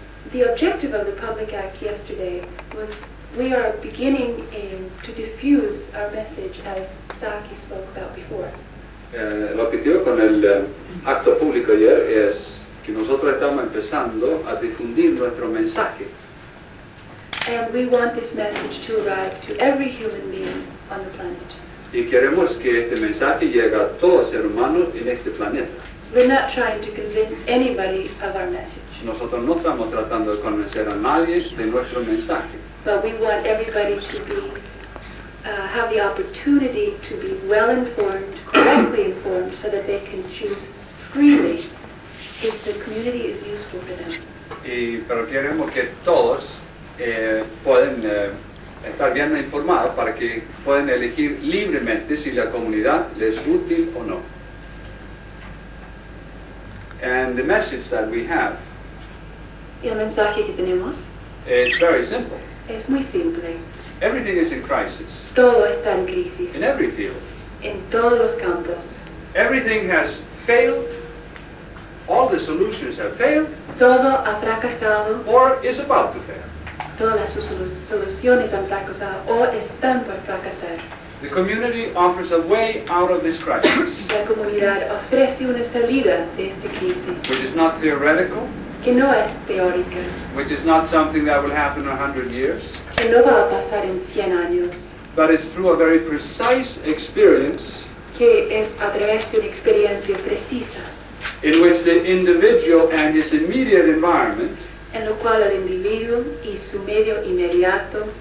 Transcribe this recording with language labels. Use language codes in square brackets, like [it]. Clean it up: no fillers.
[en] The objective of the Public Act yesterday was. We are beginning to diffuse our message as Saki spoke about before. [es] El objetivo con el acto público ayer es que nosotros estamos empezando a difundir nuestro mensaje. [en] And we want this message to arrive to every human being on the planet. [es] Y queremos que este mensaje llegue a todos los seres humanos en este planeta. [en] We're not trying to convince anybody of our message. [es] Nosotros no estamos tratando de convencer a nadie de nuestro mensaje. [en] But we want everybody to be have the opportunity to be well informed, correctly informed, so that they can choose freely if the community is useful for them. [es] Y pero queremos que todos puedan estar bien informados para que puedan elegir libremente si la comunidad les es útil o no. [en] And the message that we have. [es] El mensaje que tenemos. [en] It's very simple. [es] Es muy simple. [en] Everything is in crisis. [es] Todo está en crisis. [en] In every field. [es] En todos los campos. [en] Everything has failed. All the solutions have failed. [es] Todo ha fracasado. [en] Or is about to fail. [es] todas sus soluciones han fracasado o están por fracasar. [en] The community offers a way out of this crisis. [es] La comunidad ofrece una salida de esta crisis. [en] Which is not theoretical. [es] Que no es teórica. [en] Which is not something that will happen in 100 years. [es] Que no va a pasar en 100 años. [en] But it's through a very precise experience. [es] Que es a través de una experiencia precisa. [en] In which the individual and his immediate environment. [es] En lo cual el individuo y su medio inmediato.